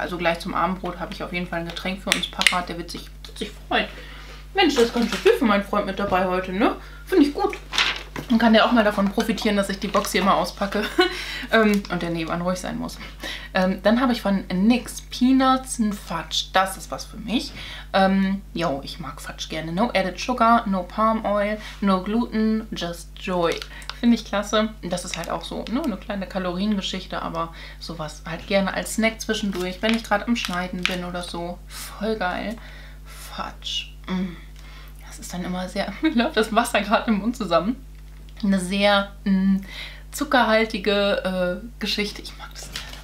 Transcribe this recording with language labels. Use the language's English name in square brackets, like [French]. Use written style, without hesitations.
[German] Also gleich zum Abendbrot habe ich auf jeden Fall ein Getränk für uns parat. Der wird sich freuen. Mensch, das ist ganz schön viel für meinen Freund mit dabei heute, ne? Finde ich gut. Und kann ja auch mal davon profitieren, dass ich die Box hier immer auspacke und der nebenan ruhig sein muss. Dann habe ich von NYX Peanuts and Fudge. Das ist was für mich. Jo, ich mag Fudge gerne. [English] No added sugar, no palm oil, no gluten, just joy. [German] Finde ich klasse. Das ist halt auch so, ne, eine kleine Kaloriengeschichte, aber sowas halt gerne als Snack zwischendurch, wenn ich gerade am Schneiden bin oder so. Voll geil. Fudge. Mm. Das ist dann immer sehr, mir läuft das Wasser gerade im Mund zusammen. Eine sehr zuckerhaltige Geschichte. Ich mag das gerne.